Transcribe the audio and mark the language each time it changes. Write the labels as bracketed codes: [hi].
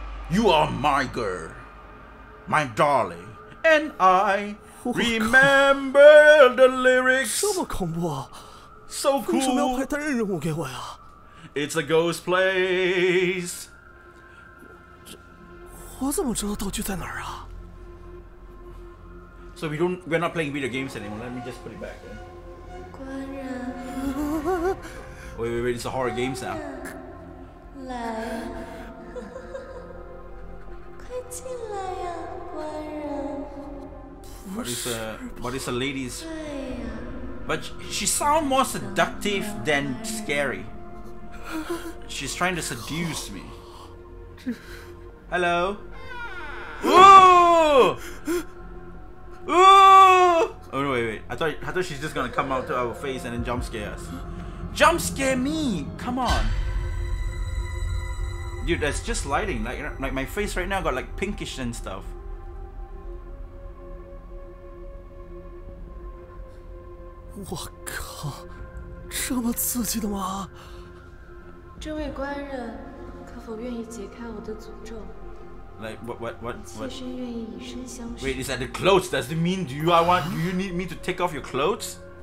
[en] You are my girl, my darling, and I remember the lyrics. [zh] 这么恐怖啊 [en] ！So cool. [zh] 为什么要派单人任务给我呀 [en] ？It's a ghost place. [zh] 我怎么知道道具在哪儿啊 [en] ？So we don't, we're not playing video games anymore. Let me just put it back. Wait, wait, wait! It's a horror game now. [zh] 来，快进来呀，官人。 [en] What is a lady's? But she sounds more seductive than scary. She's trying to seduce me. Hello. Ooh! Ooh! Oh, wait, wait. I thought she's just gonna come out to our face and then jump scare us. Jump scare me! Come on! Dude, that's just lighting. Like my face right now got like pinkish and stuff. What the hell? [zh] 这么刺激的吗？这位官人，可否愿意解开我的诅咒？ [en] Like what? [zh] 其实愿意以身相许。 [en] Wait, is that the clothes? Does it mean do you need me to take off your clothes?